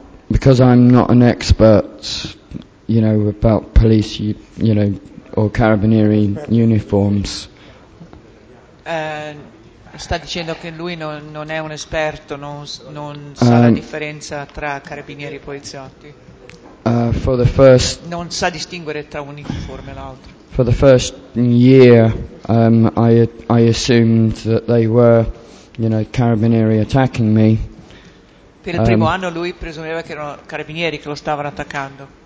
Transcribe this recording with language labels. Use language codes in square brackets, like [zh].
[en] Because I'm not an expert, you know, about police, you know, or carabinieri uniforms. [it] Sta dicendo che lui non è un esperto, non sa la differenza tra carabinieri e poliziotti. Non sa distinguere tra un uniforme e l'altro. [en] For the first year, I assumed that they were, you know, carabinieri attacking me. [it] Per il primo anno lui presumeva che erano carabinieri che lo stavano attaccando.